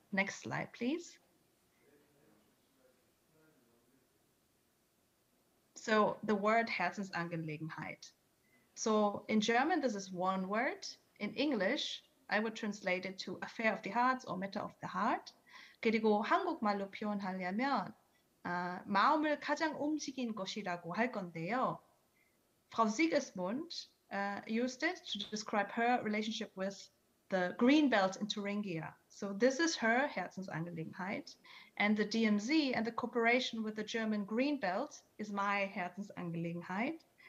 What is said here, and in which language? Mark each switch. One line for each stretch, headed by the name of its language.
English: Next slide, please. So the word Herzensangelegenheit, So in German, this is one word. In English, I would translate it to affair of the hearts or matter of the heart.
Korean: 그리고 한국말로 표현하려면 마음을 가장 움직인 것이라고 할 건데요.
English: Frau Sigismund used it to describe her relationship with the green belt in Thuringia. So this is her Herzensangelegenheit. And the DMZ and the cooperation with the German green belt is my Herzensangelegenheit.